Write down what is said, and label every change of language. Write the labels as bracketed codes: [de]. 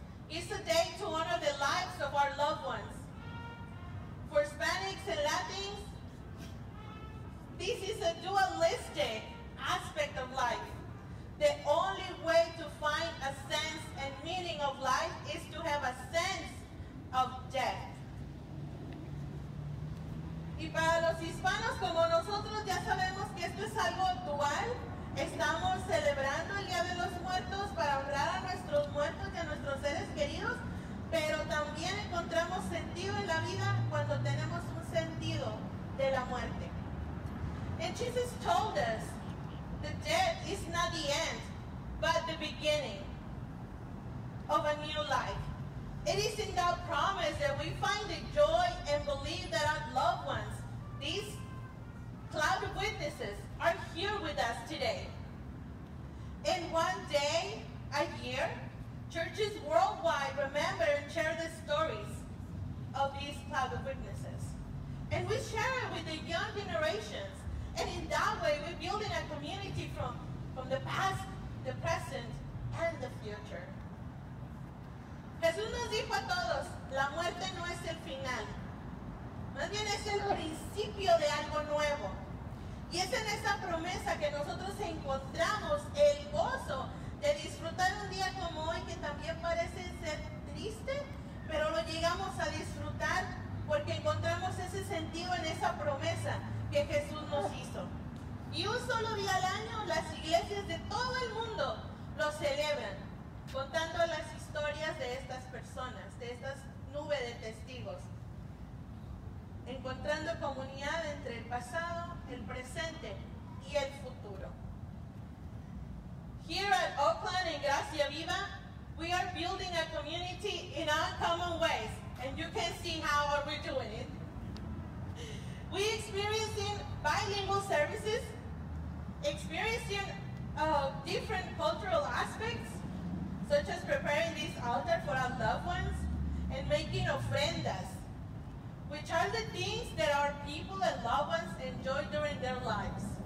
[en] It's a day to honor the lives of our loved ones. For Hispanics and Latins, this is a dualistic aspect of life. The only way to find a sense and meaning of life is to have a sense of death. [es] Y para los hispanos como nosotros ya sabemos que esto es algo dual. Estamos celebrando el Día de los Muertos para honrar a nuestros muertos y a nuestros seres queridos, pero también encontramos sentido en la vida cuando tenemos un sentido de la muerte. [en] And Jesus told us, the death is not the end, but the beginning of a new life. It is in that promise that we find the joy and believe that our loved ones, these cloud of witnesses, are here with us today. In one day a year, churches worldwide remember and share the stories of these cloud of witnesses. And we share it with the the young generations. And in that way, we're building a community from the past, the present, and the future. [es] Jesús nos dijo a todos, la muerte no es el final. Más bien es el principio de algo nuevo. Y es en esa promesa que nosotros encontramos el gozo de disfrutar un día como hoy, que también parece ser triste, pero lo llegamos a disfrutar porque encontramos ese sentido en esa promesa que Jesús nos hizo. Y un solo día al año, las iglesias de todo el mundo lo celebran, contando las historias de estas personas, de estas nubes de testigos, encontrando comunidad entre el pasado, el presente y el futuro. [en] Here at Oakland and Gracia Viva, we are building a community in uncommon ways, and you can see how are we doing it. We experiencing bilingual services, experiencing different cultural aspects, such as preparing this altar for our loved ones and making ofrendas, which are the things that our people and loved ones enjoy during their lives.